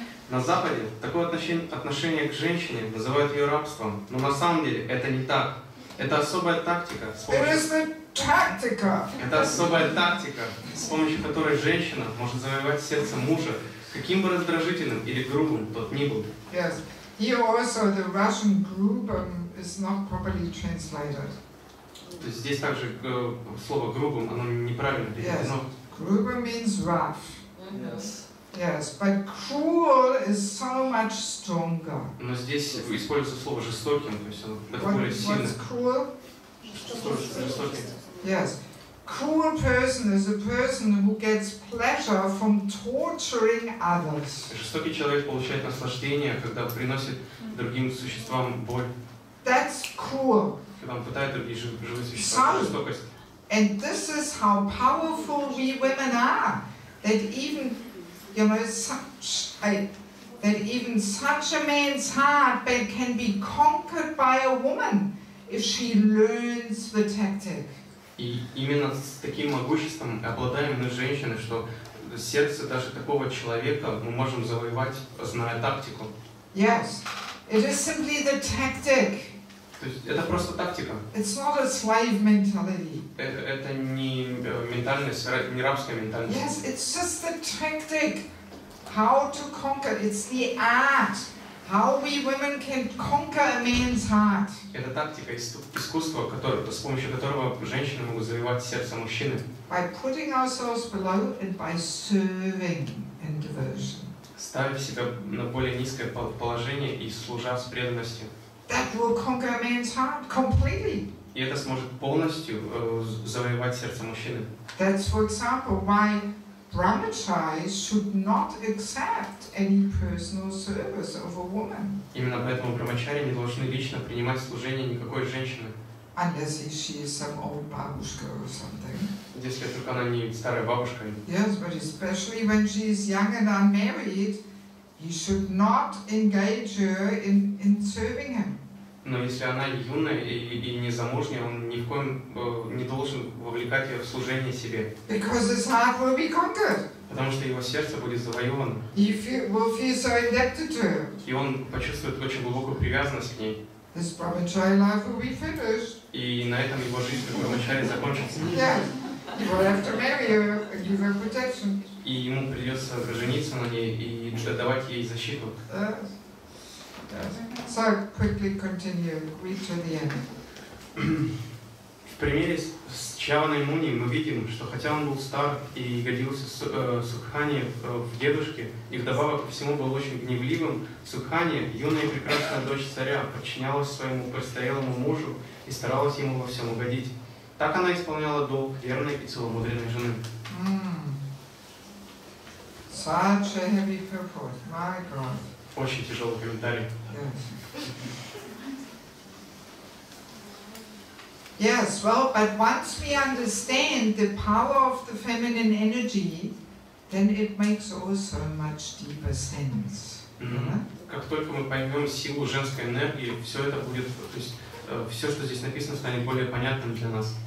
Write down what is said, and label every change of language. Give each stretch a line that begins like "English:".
Russian: На Западе такое отношение к женщине называют ее рабством, но на самом деле это не так. Это особая тактика. Это особая тактика, с помощью которой женщина может завоевать сердце мужа, каким бы раздражительным или грубым тот ни был.
English: Yes, here also the Russian grubum is not properly translated.
Russian: То есть здесь также слово грубым оно неправильно переведено.
English: Yes, grubum means rough. Yes. Yes, but cruel is so much stronger.
Russian: Но здесь используется слово жестоким, то есть оно более сильное.
English: What's cruel?
Russian: Жестоким.
English: Yes, cruel person is a person who gets pleasure from torturing others.
Russian: Жестокий человек получает наслаждение, когда приносит другим существам боль.
English: That's cruel.
Russian: Когда он пытает другие живые существа жестокость.
English: And this is how powerful we women are, that even you know, that even such a man's heart can be conquered by a woman if she learns the tactic.
Russian: И именно с таким могуществом обладаем мы женщины, что сердце даже такого человека мы можем завоевать, зная тактику.
English: Yes, it is simply the tactic.
Russian: То есть это просто тактика.
English: It's not a slave mentality.
Russian: Это не ментальность, не рабская ментальность.
English: Yes, it's just the tactic, how to conquer. It's the art, how we women can conquer a man's heart.
Russian: Это тактика, искусство, с помощью которого женщины могут завоевать сердце мужчины.
English: By putting ourselves below and by serving in devotion.
Russian: Ставив себя на более низкое положение и служа с преданностью.
English: That will conquer a man's heart completely.
Russian: И это сможет полностью завоевать сердце мужчины.
English: That's for example why brahmacharis should not accept any personal service of a woman.
Russian: Именно поэтому брахмачари не должны лично принимать служение никакой женщины.
English: Unless she is some old babushka or something.
Russian: Если только она не старая бабушка.
English: Yes, but especially when she is young and unmarried, he should not engage her in serving him.
Russian: Но если она юная и не замужняя, он ни в коем не должен вовлекать ее в служение себе.
English: Because his heart will be conquered.
Russian: Потому что его сердце будет завоевано.
English: He will feel so indebted to her.
Russian: И он почувствует очень глубокую привязанность к ней.
English: His brahmachari life will be finished.
Russian: И на этом его жизнь как брахмачари закончится.
English: Yeah. He will have to marry her and give her protection.
Russian: И ему придется жениться на ней и давать ей защиту.
English: Yes. So quickly continue, read to the end.
Russian: В примере с Чаваной Муни мы видим, что хотя он был стар и годился Сукхани в дедушке, и вдобавок ко всему был очень гневливым, Сукхани, юная и прекрасная дочь царя, подчинялась своему престарелому мужу и старалась ему во всем угодить. Так она исполняла долг верной и целомудренной жены.
English: Such a heavy purport, my God.
Russian: Очень тяжелый комментарий.
English: Yes, well, but once we understand the power of the feminine energy, then it makes also much deeper sense.
Russian: Как только мы поймем силу женской энергии, все это будет, то есть все, что здесь написано, станет более понятным для нас.